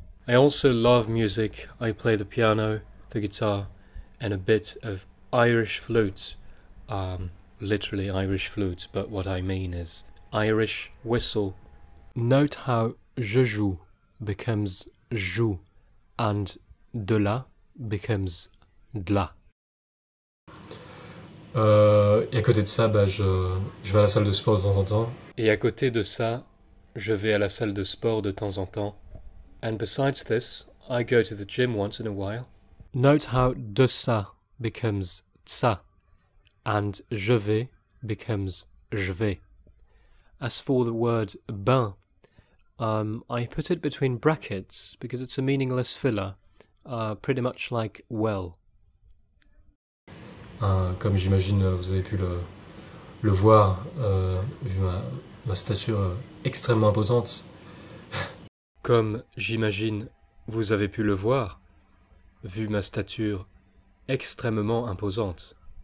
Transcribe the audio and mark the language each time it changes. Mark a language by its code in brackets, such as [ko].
[en] I also love music. I play the piano, the guitar, and a bit of Irish flute. Literally Irish flute, but what I mean is Irish whistle. Note how [fr] je joue [en] becomes joue and [fr] de là [en] becomes [fr] d'là. Et à côté de ça, je vais à la salle de sport de temps en temps. Et à côté de ça, je vais à la salle de sport de temps en temps. [en] And besides this, I go to the gym once in a while. Note how [fr] de ça [en] becomes ça, and [fr] je vais [en] becomes je vais. As for the word bain, I put it between brackets because it's a meaningless filler, pretty much like well. [fr] Comme j'imagine, vous avez pu le voir, vu ma stature extrêmement imposante. Comme j'imagine, vous avez pu le voir, vu ma stature extrêmement imposante.